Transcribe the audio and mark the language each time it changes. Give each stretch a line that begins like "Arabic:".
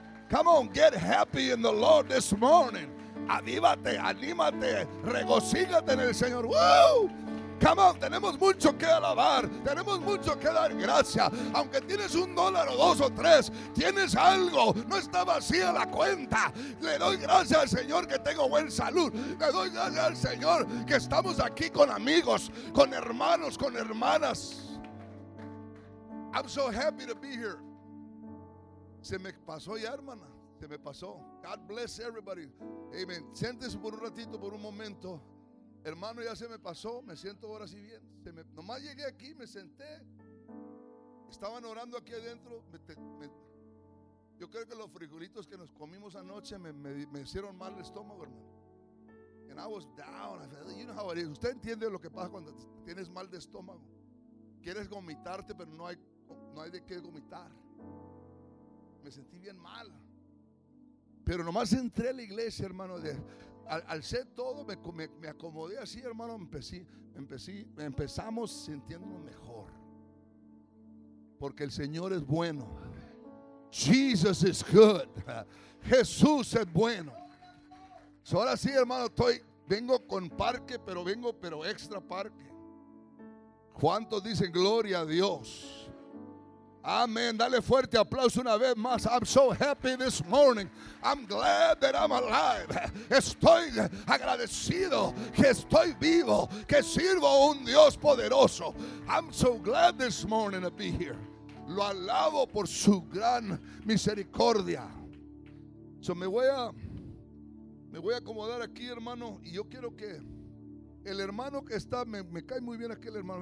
English: Come on, get happy in the Lord this morning.
Spanish: Avívate, anímate, regocígate en el Señor. Woo!
English: Come on,
Spanish: tenemos mucho que alabar, tenemos mucho que dar gracia. Aunque tienes un dólar o dos o tres, tienes algo, no está vacía la cuenta. Le doy gracias al Señor que tengo buena salud. Le doy gracias al Señor que estamos aquí con amigos, con hermanos, con hermanas.
English: I'm so happy to be here.
Spanish: Se me pasó ya, hermana, se me pasó.
English: God bless everybody.
Spanish: Amen. Siéntese por un ratito, por un momento. Hermano, ya se me pasó, me siento ahora sí bien. Nomás llegué aquí, me senté. Estaban orando aquí adentro. Yo creo que los frijolitos que nos comimos anoche me hicieron mal el estómago, hermano.
English: And I was down. I said, you know how it is.
Spanish: Usted entiende lo que pasa cuando tienes mal de estómago. Quieres vomitarte, pero no hay de qué vomitar. Me sentí bien mal. Pero nomás entré a la iglesia, hermano, alcé todo, me acomodé así, hermano, empezamos sintiéndonos mejor. Porque el Señor es bueno.
English: Jesus is good.
Spanish: Jesús es bueno. So ahora sí, hermano, vengo con parque, pero extra parque. ¿Cuántos dicen gloria a Dios? Amén, dale fuerte aplauso una vez más.
English: I'm so happy this morning. I'm glad that I'm alive.
Spanish: Estoy agradecido que estoy vivo, que sirvo a un Dios poderoso.
English: I'm so glad this morning to be here.
Spanish: Lo alabo por su gran misericordia. So me voy a acomodar aquí, hermano, y yo quiero que el hermano que está, me cae muy bien aquel hermano.